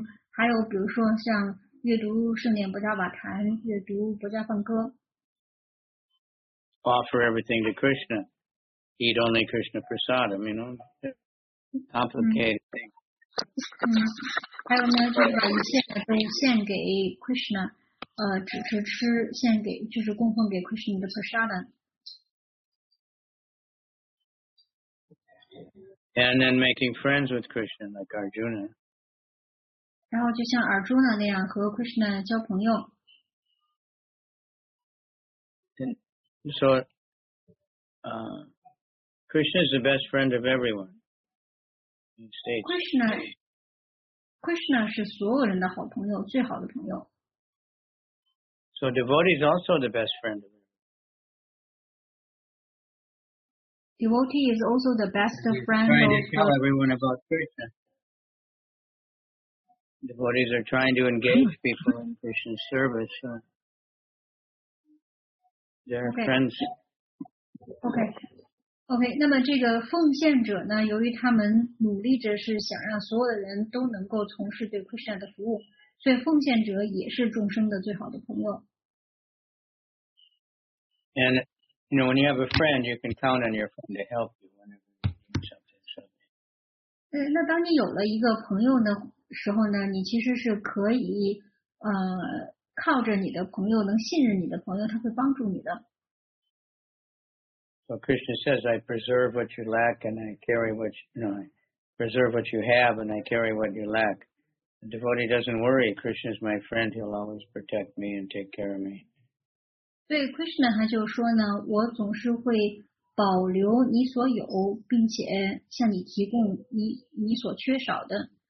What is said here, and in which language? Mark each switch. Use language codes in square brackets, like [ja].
[zh] 还有比如说像阅读圣典伯加瓦坛，阅读伯加梵歌。 [en] Offer everything to Krishna. Eat only Krishna prasadam, you know, complicated thing. [zh] 还有呢，就是把一切都献给 Krishna, 只是吃献给，就是供奉给 Krishna 的 prasadam. [en] And then making friends with Krishna, like Arjuna. [zh] 然后就像 Arjuna 那样和 Krishna 交朋友。 [en] So, Krishna is the best friend of everyone. [zh] Krishna 是所有人的好朋友，最好的朋友。 [en] So devotee is also the best friend of everyone. Devotee is also the best friend of everyone. Trying to tell everyone about Krishna. Devotees are trying to engage people in Krishna's service. So they're okay. friends. [zh] OK, 那么这个奉献者呢，由于他们努力着是想让所有的人都能够从事对 Krishna 的服务，所以奉献者也是众生的最好的朋友。 [en] And, you know, when you have a friend, you can count on your friend to help you whenever you need something. So. [zh] 那当你有了一个朋友的时候呢，你其实是可以靠着你的朋友，能信任你的朋友，他会帮助你的。 [en] So Krishna says, I preserve what you lack and I carry what you, no, I preserve what you have and I carry what you lack. The devotee doesn't worry. Krishna is my friend. He'll always protect me and take care of me. [zh] 对 Krishna 他就说呢，我总是会保留你所有，并且向你提供你所缺少的。